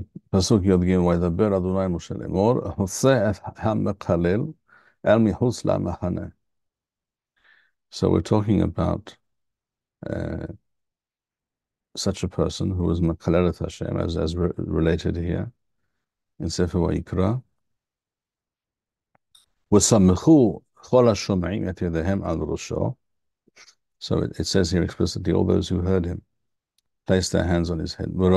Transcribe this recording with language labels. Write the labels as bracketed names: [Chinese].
[Hebrew] פסוק יד גימל וידבר אדוני משה לאמור הוצא את המקלל אל מחוץ למחנה. [English] So we're talking about such a person who is [Hebrew] מקלל את השם, [English] as related here in ספר ויקרא. [Hebrew] וסמכו כל השומעים את ידיהם על ראשו. [English] So it says here explicitly, all those who heard him place their hands on his head.